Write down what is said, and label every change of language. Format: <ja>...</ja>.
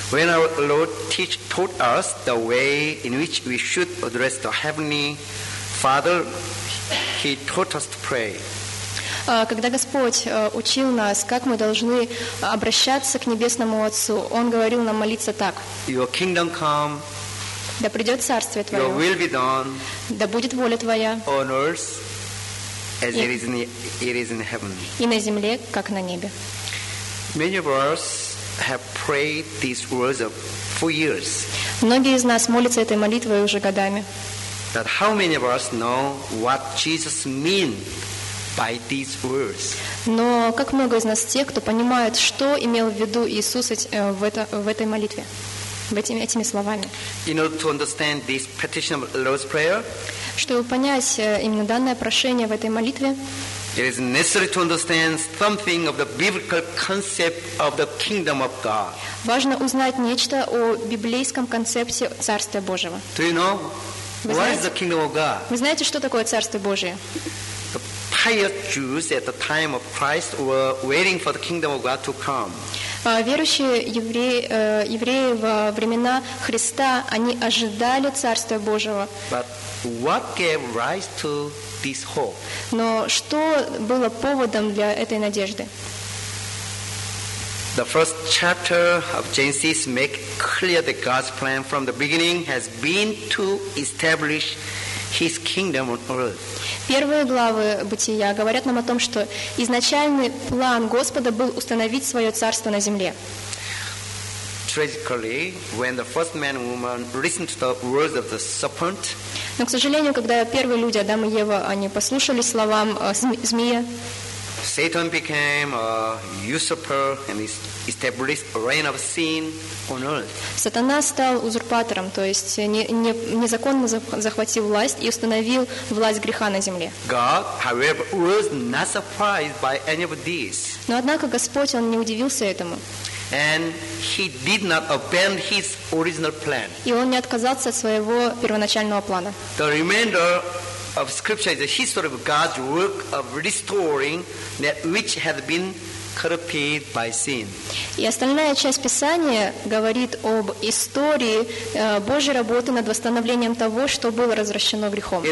<en>When our Lord taught us the way in which we should address the Heavenly Father, He taught us to pray.</en> <ru>Когда Господь учил нас, как мы должны обращаться к Небесному Отцу, Он говорил нам молиться так.</ru> <en>Your kingdom come.</en> <ru>Да придет Царствие Твое.</ru> <en>Your will be done.</en> <ru>Да будет воля Твоя.</ru> <en>On earth, as it is in heaven.</en> <ru>И на земле, как на небе.</ru> <en>Many of us have prayed these words for years.</en> <ru>Многие из нас молятся этой молитвой уже годами.</ru> <en>But how many of us know what Jesus mean by these words?</en> <ru>Но как много из нас тех, кто понимает, что имел в виду Иисус в этой молитве? Этими словами.</ru> <en>In order to understand this petition of Lord's Prayer,</en> <ru>чтобы понять именно данное прошение в этой молитве,</ru> <en>it is necessary to understand something of the biblical concept of the kingdom of God.</en> <ru>Важно узнать нечто о библейском концепте Царствия Божьего.</ru> <en>Do you know what is the kingdom of God?</en> <ru>Вы знаете, что такое Царствие Божие?</ru> <en>The pious Jews at the time of Christ were waiting for the kingdom of God to come.</en> <ru>Верующие евреи во времена Христа, они ожидали Царствия Божьего.</ru> <en>But what gave rise to this hope?</en> <ru>Но что было поводом для этой надежды?</ru> <en>The first chapter of Genesis makes clear that God's plan from the beginning has been to establish His kingdom on earth.</en> <ru>Первые главы Бытия говорят нам о том, что изначальный план Господа был установить свое царство на земле.</ru> <en>Tragically, when the first man and woman listened to the words of the serpent,</en> <ru>но, к сожалению, когда первые люди, Адам и Ева, они послушали словам змея,</ru> <en>Satan became a usurper and established a reign of sin on earth.</en> <ru>Сатана стал узурпатором, то есть незаконно захватил власть и установил власть греха на земле.</ru> <en>God, however, was not surprised by any of this.</en> <ru>Но однако Господь, он не удивился этому.</ru> <en>And he did not abandon his original plan.</en> <ru>И он не отказался от своего первоначального плана.</ru> <en>The remainder of Scripture is the history of God's work of restoring that which had been corrupted by sin.</en> <ru>И остальная часть Писания говорит об истории Божьей работы над восстановлением того, что было развращено грехом.</ru>